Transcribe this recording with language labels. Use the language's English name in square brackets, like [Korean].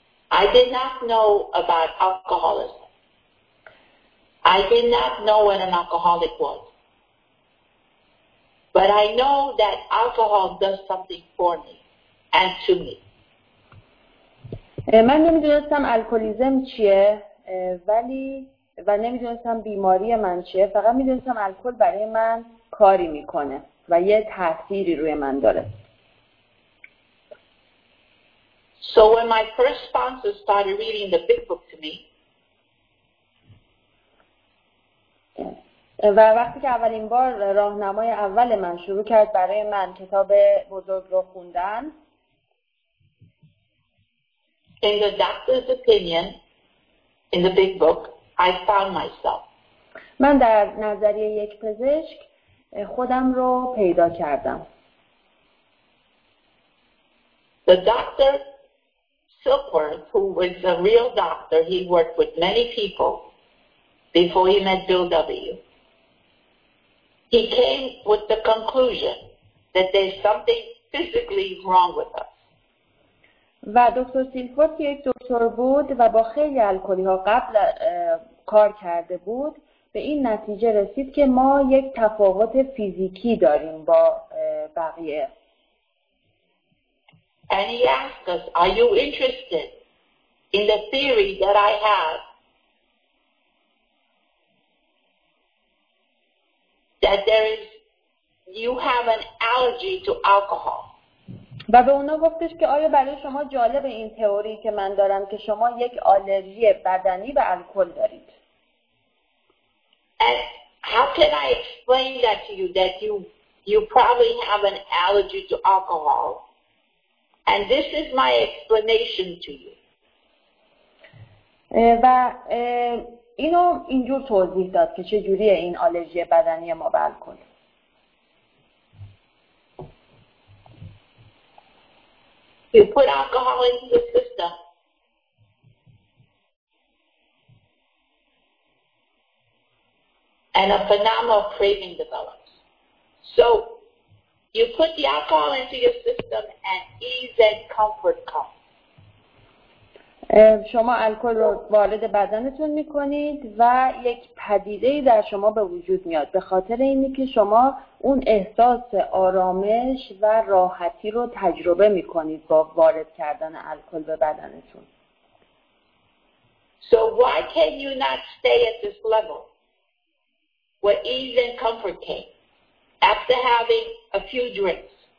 [English] I did not know about alcoholism. I did not know what an alcoholic was. But I know that alcohol does something for me and to me. [Persian] من نمیدونستم الکلیزم چیه ولی و نمیدونستم بیماری من چیه، فقط میدونستم الکل برای من کاری میکنه و یه تأثیری روی من داره. [English] So when my first sponsor started reading the big book to me. [Persian] و وقتی که اولین بار راهنمای اول من شروع کرد برای من کتاب بزرگ رو خوندن. [English] In the doctor's opinion, in the big book, I found myself. [Persian] من در نظریه یک پزشک خودم رو پیدا کردم. [English] The doctor Silkworth, who was a real doctor, he worked with many people before he met Bill W. He came with the conclusion that there's something physically wrong with us. [Persian] و دکتر سیلفورد که یک دکتر بود و با خیلی الکلی‌ها قبل کار کرده بود به این نتیجه رسید که ما یک تفاوت فیزیکی داریم با بقیه. [English] And he asked us, are you interested in the theory that I have that there is you have an allergy to alcohol? [Persian] و به اونا گفتش که آیا برای شما جالب این تئوری که من دارم که شما یک آلرژی بدنی به الکل دارید. [English] And how can I explain that to you that you probably have an allergy to alcohol? And this is my explanation to you. [Persian] و اینو اینجور توضیح داد که چه جوریه این آلرژی بدنی ما به الکل. [English] You put alcohol into the system. And a phenomenal craving develops. So you put the alcohol into your system and ease and comfort come. [Persian] شما الکل رو وارد بدنتون میکنید و یک پدیده‌ای در شما به وجود میاد به خاطر اینی که شما اون احساس آرامش و راحتی رو تجربه میکنید با وارد کردن الکل به بدنتون. [English] So why can you not stay at this level where ease and comfort came after having a few drinks?